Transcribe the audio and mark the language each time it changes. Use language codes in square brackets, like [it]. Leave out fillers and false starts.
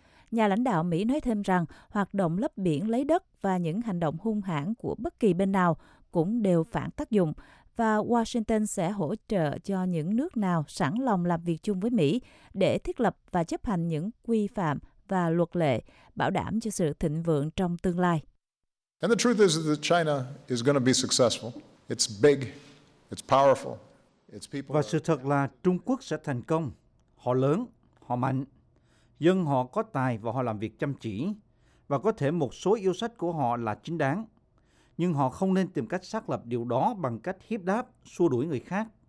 [vi] Nhà lãnh đạo Mỹ nói thêm rằng, hoạt động lấp biển lấy đất và những hành động hung hãn của bất kỳ bên nào cũng đều phản tác dụng, và Washington sẽ hỗ trợ cho những nước nào sẵn lòng làm việc chung với Mỹ để thiết lập và chấp hành những quy phạm và luật lệ bảo đảm cho sự thịnh vượng trong tương lai. [en] And the truth is that China is going to be successful. It's big. It's powerful. Its people. [vi] Và sự thật là Trung Quốc sẽ thành công. Họ lớn, họ mạnh. Dân họ có tài và họ làm việc chăm chỉ. Và có thể một số yêu sách của họ là chính đáng. Nhưng họ không nên tìm cách xác lập điều đó bằng cách hiếp đáp, xua đuổi người khác.